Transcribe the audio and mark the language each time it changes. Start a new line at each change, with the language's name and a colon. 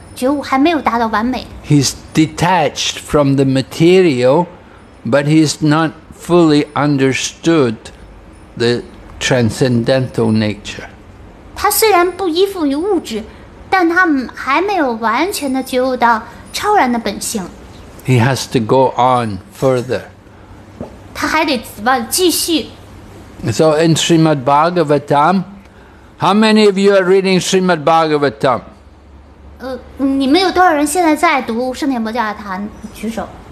English: He's detached from the material, but he's not fully understood the transcendental nature.
Chinese: 他虽然不依附于物质，但他还没有完全的觉悟到超然的本性。He
English: has to go on further.
Chinese: 他还得继续。So
English: in Srimad Bhagavatam, how many of you are reading Srimad Bhagavatam?
Chinese: 你们有多少人现在在读圣典摩迦塔？举手。